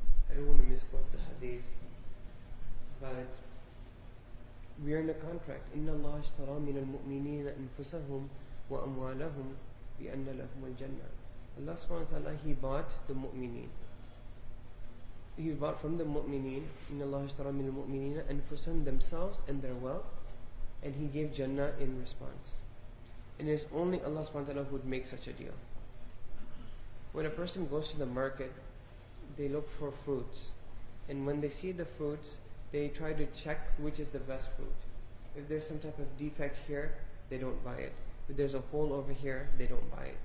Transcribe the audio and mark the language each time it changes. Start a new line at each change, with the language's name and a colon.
English: I don't want to misquote the hadith. But we are in a contract.
Arabic: إِنَّ اللَّهَ اشْتَرَى مِنَ الْمُؤْمِنِينَ أَنفُسَهُمْ وَأَمْوَالَهُمْ بِأَنَّ لَهُمُ الْجَنَّةِ.
English: Allah subhanahu wa ta'ala, He bought the mu'mineen. He bought from the mu'mineen.
Arabic: إِنَّ اللَّهَ اشْتَرَى مِنَ الْمُؤْمِنِينَ أَنفُسَهُمْ,
English: themselves and their wealth. And He gave Jannah in response. And it's only Allah subhanahu wa ta'ala who would make such a deal. When a person goes to the market, they look for fruits. And when they see the fruits, they try to check which is the best fruit. If there's some type of defect here, they don't buy it. If there's a hole over here, they don't buy it.